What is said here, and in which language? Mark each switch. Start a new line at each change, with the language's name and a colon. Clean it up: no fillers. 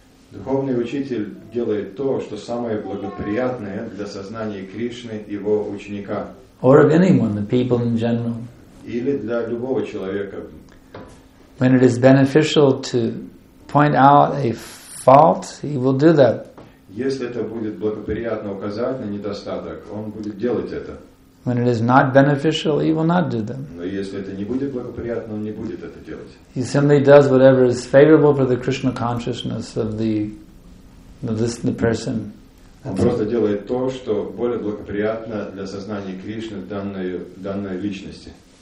Russian: Духовный учитель делает то, что самое благоприятное для сознания Кришны, его ученика.
English: Or of anyone, the people in general.
Russian: Или для любого человека.
English: When it is beneficial to point out a fault, he will do that.
Russian: Если это будет благоприятно указать на недостаток, он будет делать это.
English: When it is not beneficial, he will not do them.
Russian: Но если это не будет благоприятно, он не будет это делать.
English: He simply does whatever is favorable for the Krishna consciousness of the person.
Russian: Он просто делает то, что более благоприятно для сознания Кришны данной личности.